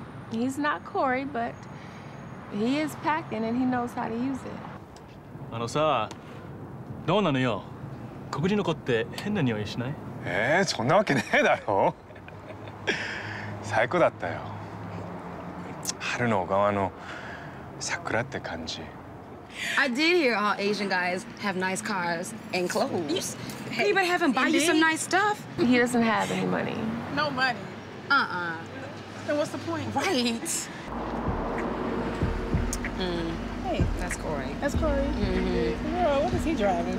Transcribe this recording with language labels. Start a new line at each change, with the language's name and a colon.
English: He's not Corey, but he is packing and he knows how to use it.
Japanese: あのさ、どうなのよ。黒人の子って変な匂いしない？そんなわけねえだろ最高だったよ春の小川の桜って感じ
English: I did hear all Asian guys have nice cars and clothes Hey, but have him buy you some nice stuff He doesn't have any money No money Then what's the point? Right Hey That's Corey Girl, what is he driving?